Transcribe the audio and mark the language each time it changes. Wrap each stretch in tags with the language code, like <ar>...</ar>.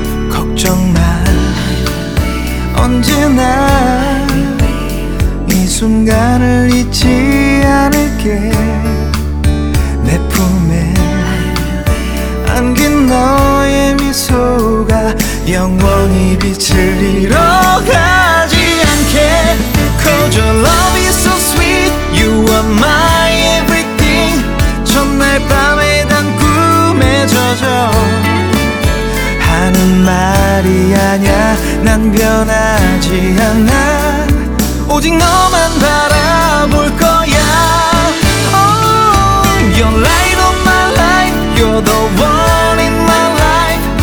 <ko>걱정 마, 언제나 이 순간을 잊지 않을게. 내 품에 안긴 너의 미소가 영원히 빛을 잃어가지 않게.</ko> <en>'Cause your love is so sweet, you are my everything.</en> <ko>첫날 밤에 단 꿈에 젖어 하는 말이 아냐. 난 변하지 않아, 오직 너만 바라볼 거야.</ko> <en>Oh, your light of my life, you're the one in my life.</en>